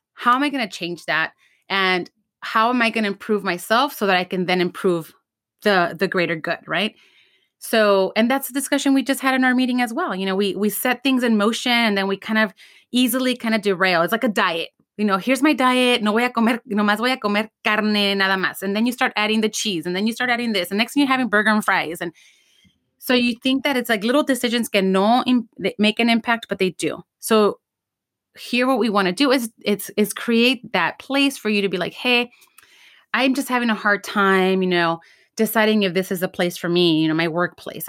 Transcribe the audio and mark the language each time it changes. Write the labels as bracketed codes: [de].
[en] How am I going to change that? And how am I going to improve myself so that I can then improve the greater good, right? So, and that's the discussion we just had in our meeting as well. You know, we set things in motion and then we kind of easily kind of derail. It's like a diet. You know, here's my diet. [es] No voy a comer, no más voy a comer carne, nada más. [en] And then you start adding the cheese and then you start adding this. And next thing you're having burger and fries. And so you think that it's like little decisions can no make an impact, but they do. So here, what we want to do is create that place for you to be like, hey, I'm just having a hard time, you know, deciding if this is a place for me, you know, my workplace.